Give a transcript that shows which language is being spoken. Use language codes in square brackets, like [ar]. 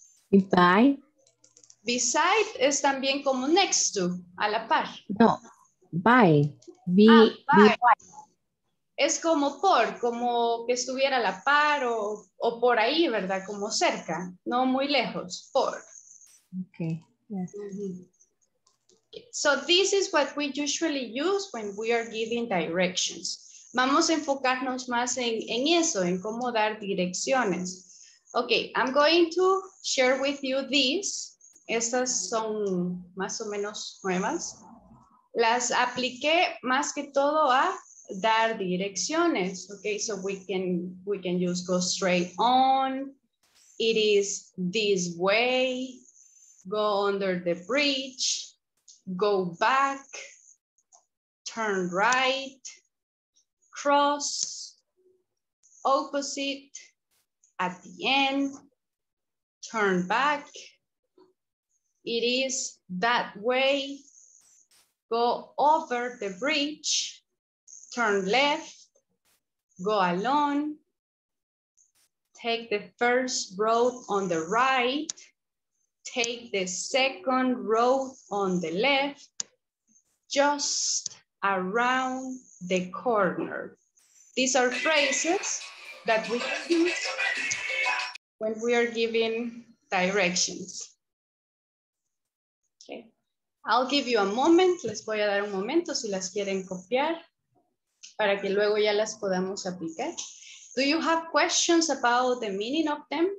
[en] Beside. [es] Beside es también como next to, a la par. [en] No, by. By. [es] Es como por, como que estuviera a la par o por ahí, ¿verdad? Como cerca, no muy lejos, por. [en] Okay, yes. Mm-hmm. So this is what we usually use when we are giving directions. [es] Vamos a enfocarnos más en eso, en cómo dar direcciones. [en] Okay, I'm going to share with you these. [es] Estas son más o menos nuevas. Las apliqué más que todo a dar direcciones. [en] Okay, so we can just go straight on. It is this way. Go under the bridge. Go back. Turn right. Cross, opposite, at the end, turn back, it is that way, go over the bridge, turn left, go alone, take the first road on the right, take the second road on the left, just around the corner. These are phrases that we use when we are giving directions. Okay. I'll give you a moment. [es] Les voy a dar un momento si las quieren copiar para que luego ya las podamos aplicar. [en] Do you have questions about the meaning of them?